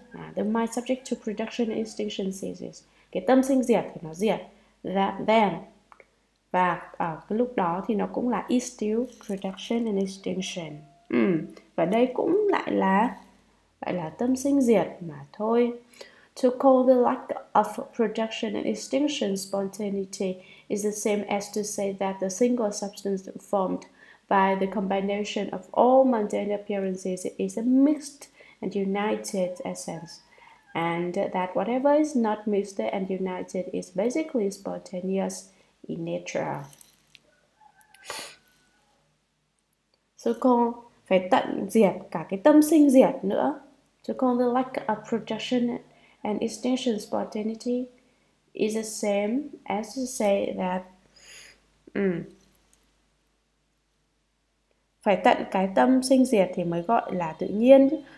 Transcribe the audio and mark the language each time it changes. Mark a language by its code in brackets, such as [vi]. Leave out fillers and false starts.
[vi] À, [en] the mind subject to production and extinction ceases, [vi] cái tâm sinh diệt thì nó diệt, [en] that then, [vi] và ở cái lúc đó thì nó cũng là [en] is still production and extinction. [vi] Ừ. Và đây cũng lại là tâm sinh diệt mà thôi. [en] To call the lack of production and extinction spontaneity is the same as to say that the single substance formed by the combination of all mundane appearances is a mixed and united essence, and that whatever is not mixed and united is basically spontaneous in nature. So call [vi] phải tận diệt cả cái tâm sinh diệt nữa. [en] To call the lack of production and extinction spontaneity is the same as to say that [vi] phải tận cái tâm sinh diệt thì mới gọi là tự nhiên chứ.